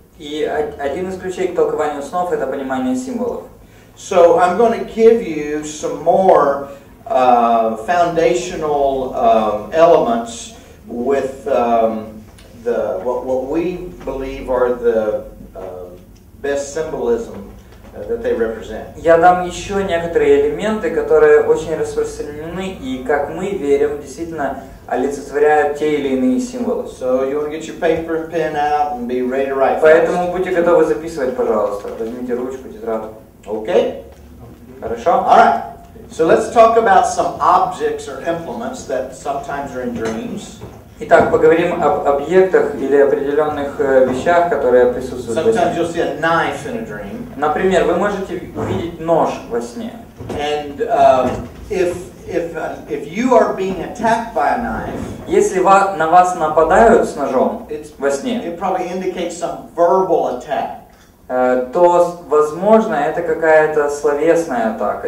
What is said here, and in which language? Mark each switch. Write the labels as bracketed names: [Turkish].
[Russian] И один из ключей к толкованию снов — это понимание символов. [English] So I'm going to give you some more foundational elements with what we believe are the best symbolism that they represent. [Russian] Я дам еще некоторые элементы, которые очень распространены и, как мы верим, действительно олицетворяют те или иные символы. [English] So you want to get your paper and pen out and be ready to write. [Russian] Поэтому будьте готовы записывать, пожалуйста. Возьмите ручку, тетрадку. [English] Okay. [Russian] Хорошо. [English] All right. So let's talk about some objects or implements that sometimes are in dreams. [Russian] Итак, поговорим об объектах или определенных вещах, которые присутствуют во сне. [English] Sometimes you'll see a knife in a dream. [Russian] Например, вы можете увидеть нож во сне. [English] And if you are being attacked by a knife, [Russian] если на вас нападают с ножом во сне, [English] it probably indicates some verbal attack. [Russian] То, возможно, это какая-то словесная атака.